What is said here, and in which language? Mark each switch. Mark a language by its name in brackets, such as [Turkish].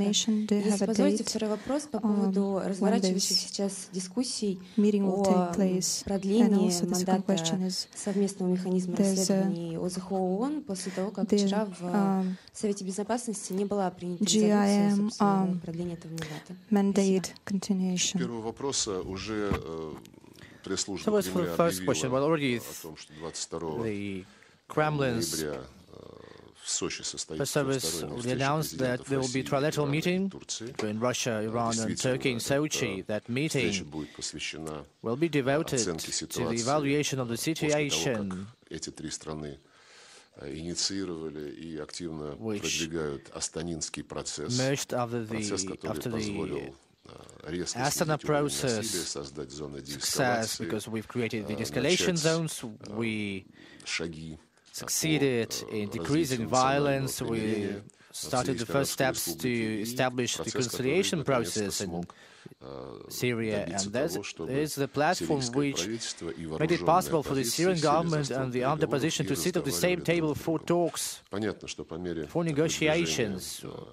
[Russian] Если позволите, второй вопрос по поводу разворачивающихся сейчас дискуссий о продлении мандата совместного механизма расследований ОЗХО ООН после того, как вчера в Совете Безопасности не была принята резолюция о продлении этого мандата. Первый вопрос уже... [English] So was for the first question, but already the Kremlin's press service announced that there will be a trilateral meeting between Russia, Iran, and Turkey in Sochi. That meeting will be devoted to the evaluation of the situation, [Russian] инициировали и активно продвигают Астанинский процесс, который позволил [English] Astana process success because we've created the de-escalation zones, we succeeded in decreasing violence, we started the first steps to establish the conciliation process in Syria, and this is the platform which made it possible for the Syrian government and the armed opposition to sit at the same table for talks, for negotiations.